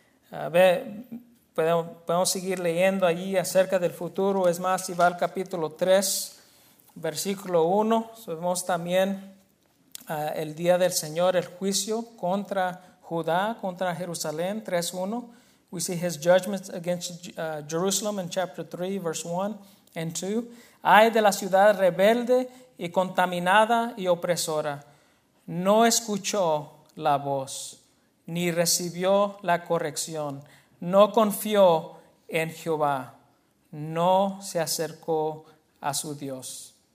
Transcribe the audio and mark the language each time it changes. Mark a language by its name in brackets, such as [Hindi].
[Spanish] A ver, podemos seguir leyendo allí acerca del futuro. Es más, si va al capítulo 3, versículo 1, vemos también el día del Señor, el juicio contra Judá, contra Jerusalén, 3:1. [English] We see his judgments against Jerusalem in chapter 3, verse 1 and 2. [Spanish] Ay de la ciudad rebelde y contaminada y opresora. No escuchó la voz, ni recibió la corrección. No confió en Jehová. No se acercó a su Dios.